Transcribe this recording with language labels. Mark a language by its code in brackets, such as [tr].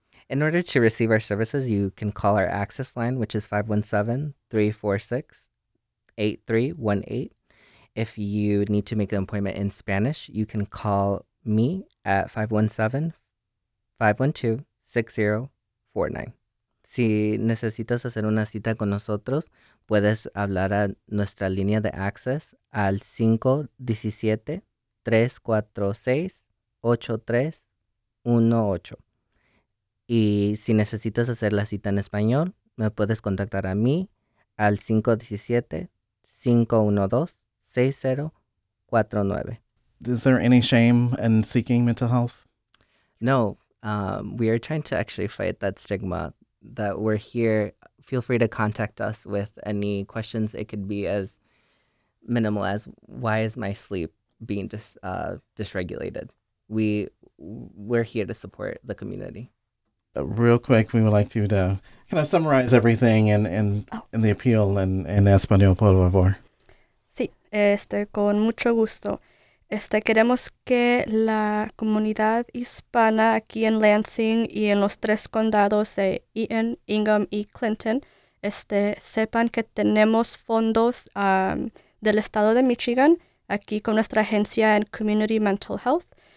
[en] In order to receive our services, you can call our access line, which is 517-346-8318. If you need to make an appointment in Spanish, you can call me at 517-512-6049. [es] Si necesitas hacer una cita con nosotros, puedes hablar a nuestra línea de access al 517-346-8318. Y si necesitas hacer la cita en español, me puedes contactar a mí al 517-512-6049. [en] Is there any shame in seeking mental health? No, we are trying to actually fight that stigma that we're here. Feel free to contact us with any questions. It could be as minimal as, why is my sleep being dysregulated? We're here to support the community. Real quick, we would like you to kind of summarize everything in the appeal in Espanol, [es] por favor. Sí, con mucho gusto. Queremos que la comunidad hispana aquí en Lansing y en los tres condados de Eaton, Ingham y Clinton sepan que tenemos fondos del estado de Michigan aquí con nuestra agencia en Community Mental Health.